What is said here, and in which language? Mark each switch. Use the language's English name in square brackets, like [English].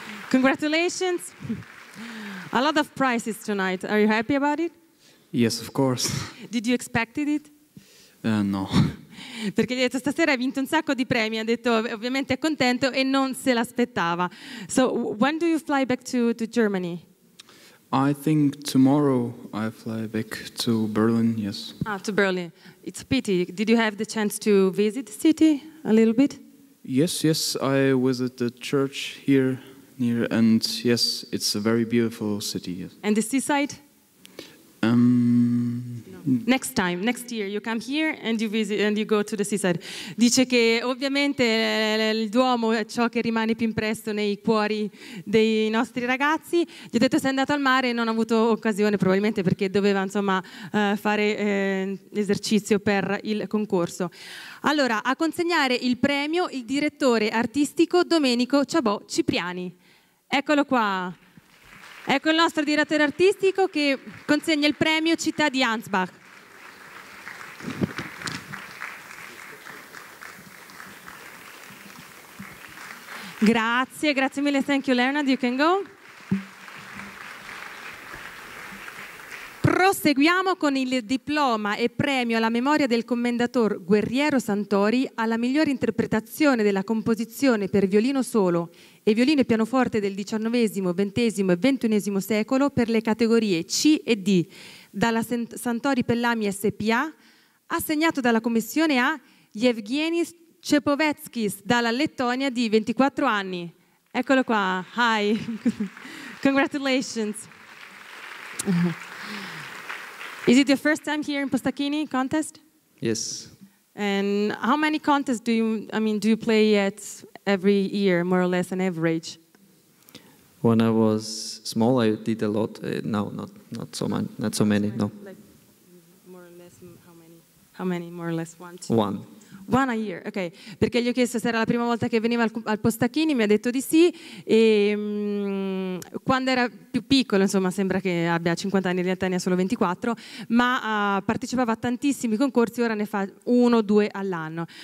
[English] Congratulations. A lot of prizes tonight. Are you happy about it? Yes, of course. Did you expect it? No. [Italian] Perché gli ha detto stasera hai vinto un sacco di premi, ha detto ovviamente è contento e non se l'aspettava. [English] So, when do you fly back to Germany? I think tomorrow I fly back to Berlin, yes. Ah, to Berlin. It's a pity. Did you have the chance to visit the city a little bit? Yes, I visited the church here near, and yes, it's a very beautiful city. Yes. And the seaside? No. Next year you come here and you visit and you go to the seaside. [Italian] Dice che ovviamente il Duomo è ciò che rimane più impresso nei cuori dei nostri ragazzi. Gli ho detto sei andato al mare e non ha avuto occasione, probabilmente perché doveva insomma fare esercizio per il concorso. Allora, a consegnare il premio il direttore artistico Domenico Chabot Cipriani. Eccolo qua. Ecco il nostro direttore artistico che consegna il premio Città di Ansbach. Grazie mille, [English] thank you Leonard, you can go. [Italian] Proseguiamo con il diploma e premio alla memoria del commendator Guerriero Santori alla migliore interpretazione della composizione per violino solo e violino e pianoforte del XIX, XX e XXI secolo per le categorie C e D dalla Santori Pellami S.P.A. assegnato dalla commissione a Yevgenis Cepovetskis dalla Lettonia di 24 anni. Eccolo qua, [English] hi, congratulations. Is it your first time here in Postachini contest? Yes. And how many contests do you play at every year, more or less an average? When I was small, I did a lot. Not so many. More or less, how many? How many? More or less one. One. One a year, ok. [Italian] Perché gli ho chiesto se era la prima volta che veniva al Postacchini, mi ha detto di sì. E quando era più piccolo, insomma, sembra che abbia 50 anni, in realtà ne ha solo 24, ma partecipava a tantissimi concorsi, ora ne fa uno o due all'anno.